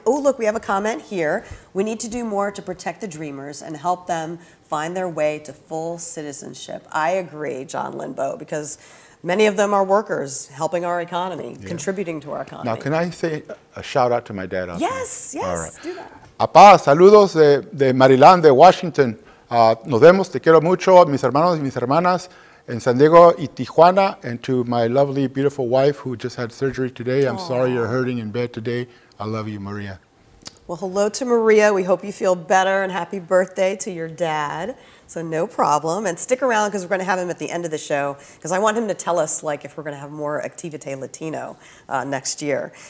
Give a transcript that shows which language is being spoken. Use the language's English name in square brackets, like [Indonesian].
[English] Oh, look, we have a comment here. We need to do more to protect the Dreamers and help them find their way to full citizenship. I agree, John Limbo, because many of them are workers helping our economy, yeah, contributing to our economy. Now, can I say a shout out to my dad? Also? Yes, yes, all right. Do that. [Spanish] Apá, saludos de Maryland, de Washington. Nos vemos, te quiero mucho, mis hermanos y mis hermanas. [English] In San Diego y Tijuana, and to my lovely, beautiful wife who just had surgery today. I'm sorry you're hurting in bed today. I love you, Maria. Well, hello to Maria. We hope you feel better, and happy birthday to your dad. So no problem. And stick around, because we're going to have him at the end of the show, because I want him to tell us, like, if we're going to have more Activite Latino next year.